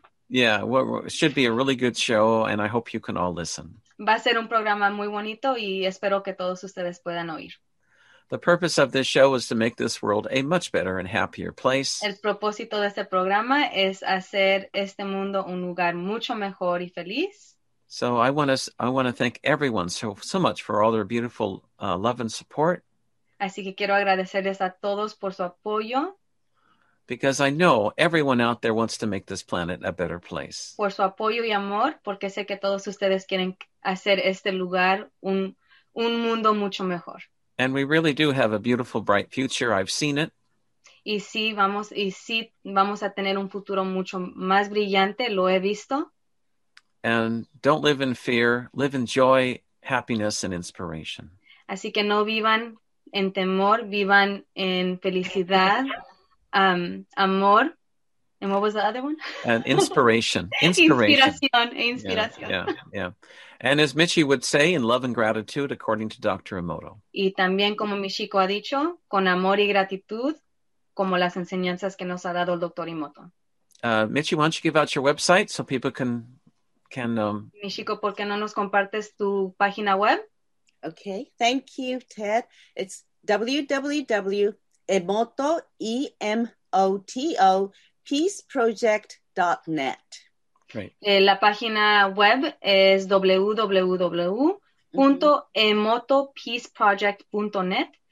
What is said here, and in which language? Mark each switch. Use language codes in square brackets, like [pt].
[en] Yeah, it should be a really good show, and I hope you can all listen. [es] Va a ser un programa muy bonito y espero que todos ustedes puedan oír. [en] The purpose of this show is to make this world a much better and happier place. [es] El propósito de este programa es hacer este mundo un lugar mucho mejor y feliz. [en] So I want to thank everyone so much for all their beautiful love and support. [es] Así que quiero agradecerles a todos por su apoyo. [en] Because I know everyone out there wants to make this planet a better place. [es] Por su apoyo y amor, porque sé que todos ustedes quieren hacer este lugar un mundo mucho mejor. [en] And we really do have a beautiful, bright future. I've seen it. [es] Y sí, vamos a tener un futuro mucho más brillante. Lo he visto. [en] And don't live in fear. Live in joy, happiness, and inspiration. [es] Así que no vivan en temor. Vivan en felicidad. amor. [en] And what was the other one? And inspiration. Inspiration. Inspiration. Yeah. And as Michi would say, in love and gratitude, according to Dr. Emoto. [es] Y también como Michiko ha dicho, con amor y gratitud, como las enseñanzas que nos ha dado el Dr. Emoto. [en] Michi, why don't you give out your website so people can [es] Michiko, ¿por qué no nos compartes tu página web? [en] Okay. Thank you, Ted. It's www.emoto.peaceproject.net. Great. [es] La página web es www.emotopeaceproject.net.